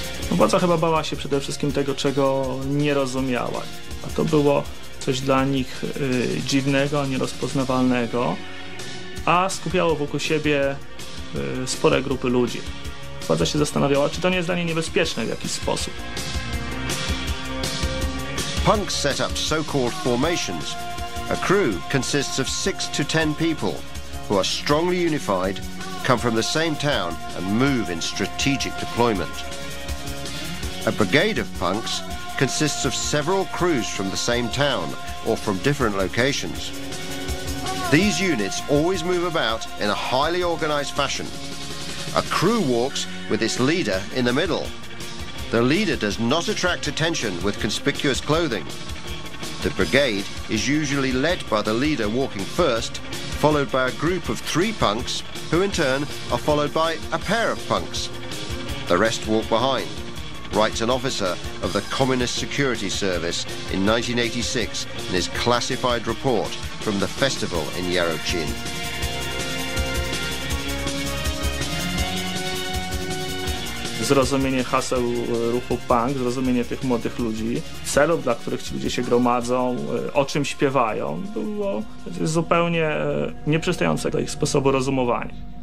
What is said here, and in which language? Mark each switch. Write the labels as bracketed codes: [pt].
[pl] Władza chyba bała się przede wszystkim tego, czego nie rozumiała. A to było coś dla nich dziwnego, nierozpoznawalnego. a skupiało wokół siebie spore grupy ludzi. Władza się zastanawiała, czy to nie jest dla niej niebezpieczne w jakiś sposób. [en] Punk set up so-called formations. A crew consists of 6 to 10 people who are strongly unified, come from the same town and move in strategic deployment. A brigade of punks consists of several crews from the same town or from different locations. These units always move about in a highly organized fashion. A crew walks with its leader in the middle. The leader does not attract attention with conspicuous clothing. The brigade is usually led by the leader walking first, followed by a group of 3 punks, who in turn are followed by a pair of punks. The rest walk behind, writes an officer of the Communist Security Service in 1986 in his classified report from the festival in Jarocin. [pl] Zrozumienie haseł ruchu punk, zrozumienie tych młodych ludzi, celów, dla których ci ludzie się gromadzą, o czym śpiewają, było zupełnie nieprzystające do ich sposobu rozumowania.